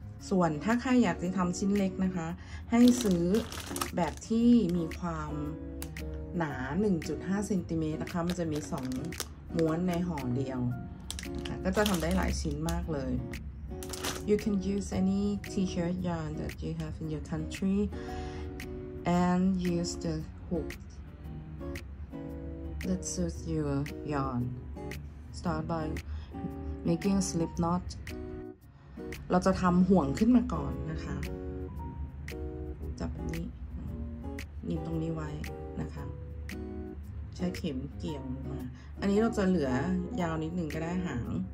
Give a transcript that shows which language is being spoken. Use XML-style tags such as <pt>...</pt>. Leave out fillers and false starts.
<th>ส่วนถ้าใครอยากจะทำชิ้นเล็กนะคะให้ซื้อแบบที่มีความหนา 1.5 ซมนะคะมันจะมี2ม้วนในห่อเดียวนะคะก็จะทำได้หลายชิ้นมากเลย</th> <en>You can use any t-shirt yarn that you have in your country and use the hook that suits your yarn. Start by making a slip knot.</en> <th>เราจะทำห่วงขึ้นมาก่อนนะคะจับนี้นิ่มตรงนี้ไว้นะคะใช้เข็มเกี่ยวมาอันนี้เราจะเหลือยาวนิดหนึ่งก็ได้หาง</th>